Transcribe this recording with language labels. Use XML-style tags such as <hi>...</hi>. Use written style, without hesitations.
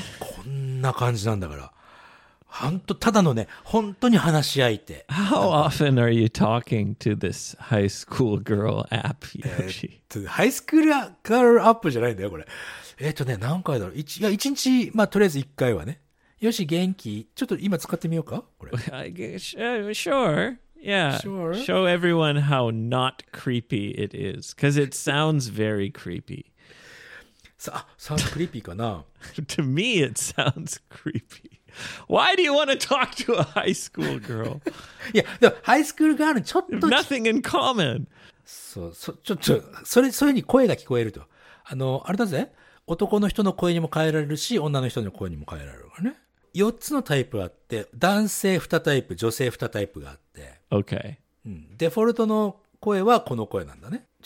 <ja>こんな感じなんだから。本当ただのね、本当に話し合いて。</ja> <en>How often are you talking to this high school girl app, Yoshi?</en> <ja>ハイスクールガールアップじゃないんだよ、これ。ね、何回だろう。一日、まあ、とりあえず一回はね。よし、元気。ちょっと今使ってみようか、これ。</ja> <en>I guess, sure. Yeah. Sure. Show everyone how not creepy it is. Because it sounds very creepy. Sounds creepy</en> <ja>かな。</ja> <en>To me, it sounds creepy. Why do you want to talk to a high school girl? Yeah, the high school girl,</en> <ja>ちょっと</ja> <en>nothing in common.</en> <ja>そう、ちょっと、それに声が聞こえると。あれだぜ。男の人の声にも変えられるし、女の人の声にも変えられるわね。 4つのタイプあって、男性2タイプ、女性2タイプがあって。</ja> <en>Okay.</en> <ja>うん。デフォルトの声はこの声なんだね。</ja>